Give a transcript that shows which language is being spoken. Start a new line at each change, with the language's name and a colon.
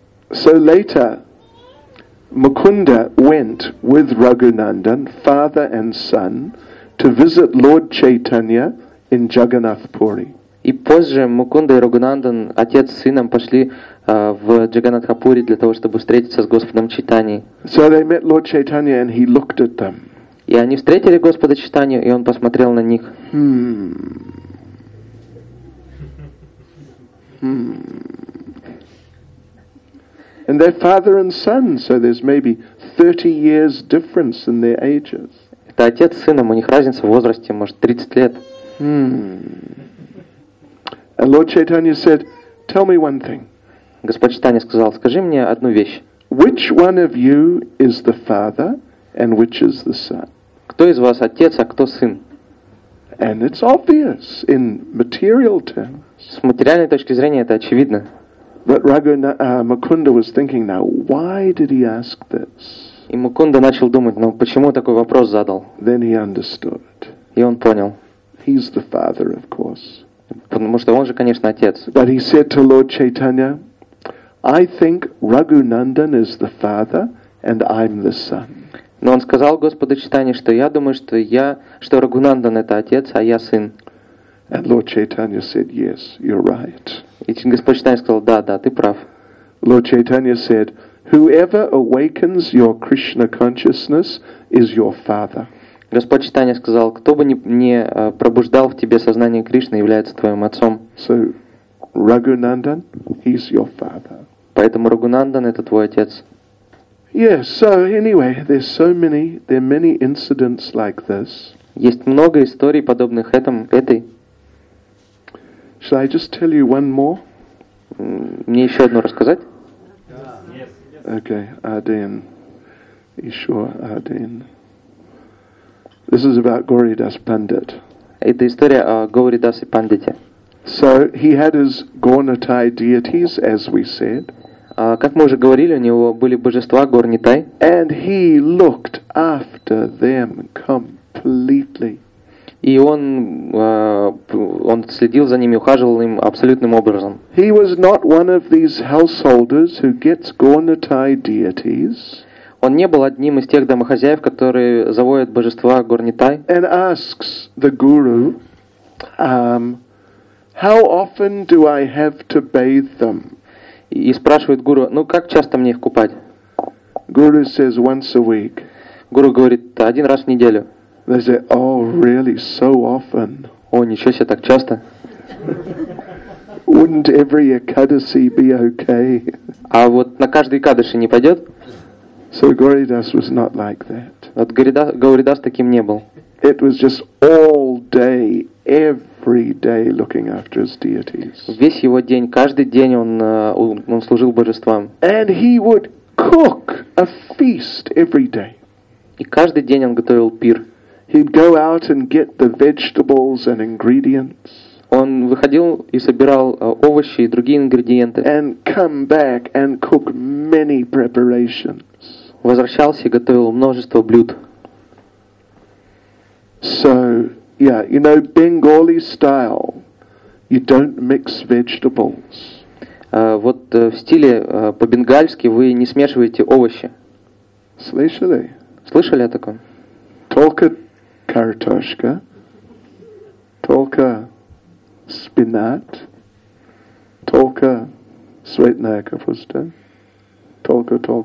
English: So later, Mukunda went with Raghunandan, father and son, to visit Lord Chaitanya in Jagannath Puri.
Russian: И позже Мукунда и Рагунандан, отец с сыном, пошли в Джаганатхапури для того, чтобы встретиться с Господом Чайтани.
English: So they met Lord Chaitanya and he looked at them.
Russian: И они встретили Господа Чайтани, и он посмотрел на них.
English: And they're father and son, so there's maybe 30 years difference in their ages.
Russian: Это отец с сыном, у них разница в возрасте, может, 30 лет.
English: And Lord Chaitanya said, "Tell me one thing."
Russian: Господь Чайтанья сказал, скажи мне одну вещь.
English: Which one of you is the father and which is the son?
Russian: Кто из вас отец, а кто сын?
English: And it's obvious in material terms.
Russian: С материальной точки зрения это очевидно.
English: But Mukunda was thinking now, why did he ask this?
Russian: И Мукунда начал думать, ну почему такой вопрос задал?
English: Then he understood.
Russian: И он понял.
English: He's the father, of course.
Russian: Потому что он же, конечно, отец.
English: But he said to Lord Chaitanya, I think Raghunandan is the father and I'm the son.
Russian: Но он сказал Господу Чайтанье, что я думаю, что я, что Рагунандан это отец, а я сын.
English: And Lord Chaitanya said, yes, you're right.
Russian: И Господь Чайтанья сказал, да, да, ты прав.
English: Lord Chaitanya said, whoever awakens your Krishna consciousness is your father.
Russian: Господь Чайтанья сказал, кто бы ни пробуждал в тебе сознание Кришны, является твоим отцом.
English: So, Raghunandan, he's your father.
Russian: Поэтому Рагунандан это твой отец.
English: Yes, so anyway, there are many incidents like this.
Russian: Есть много историй подобных этой.
English: Shall I just tell you one more?
Russian: Мне еще одну рассказать?
English: Yes. Okay, Arden. Ishwar Arden. This is about Gauridas Pandit.
Russian: Это история о Гауридасе Пандите.
English: So he had his Gornitai deities, as we said.
Russian: Как мы уже говорили, у него были божества Горнитай.
English: And he looked after them completely.
Russian: И он следил за ними, ухаживал им абсолютным образом.
English: He was not one of these householders who gets Gornitai deities.
Russian: Он не был одним из тех домохозяев, которые заводят божества Горнитай.
English: And asks the guru, how often do I have to bathe them?
Russian: И спрашивает гуру, ну как часто мне их купать?
English: Guru says once a week.
Russian: Гуру говорит, один раз в неделю.
English: They say, oh, really, so often.
Russian: О, ничего себе, так часто.
English: Wouldn't every Ekadasi be okay?
Russian: А вот на каждый Экадаши не пойдет?
English: So Gauridas was not like that.
Russian: Вот Гауридас таким не был.
English: It was just all day, every day looking after his deities.
Russian: Весь его день, каждый день он служил божествам.
English: And he would cook a feast every day.
Russian: И каждый день он готовил пир.
English: He'd go out and get the vegetables and ingredients.
Russian: Он выходил и собирал овощи и другие ингредиенты.
English: And come back and cook many preparations.
Russian: Возвращался и готовил множество блюд.
English: So, yeah, you know, Bengali style, you don't mix vegetables.
Russian: Вот в стиле по-бенгальски вы не смешиваете овощи. Слышали? Слышали о таком? Только картошка, только спинат, только светлая капуста, только.